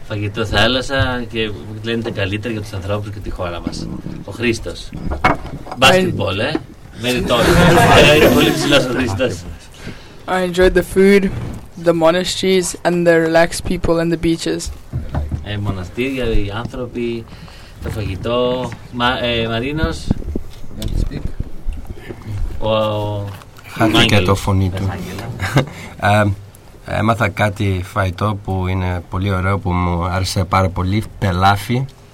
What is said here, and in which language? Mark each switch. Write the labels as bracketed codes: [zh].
[el] Φαγητό θάλασσα και λένε τα καλύτερα για τους ανθρώπους και τη χώρα μας. Ο Χρήστος. Basketball, ε. Μέρι τώρα. Είναι πολύ ψηλός ο Χρήστος. [en] I enjoyed the food, the monasteries and the relaxed people and the beaches. [el] Μοναστήρια, οι άνθρωποι, το φαγητό. Μαρίνος. Χάθηκε το φωνή του. Έμαθα κάτι φαϊτό που είναι πολύ ωραίο, που μου άρεσε πάρα πολύ. Πελάφι.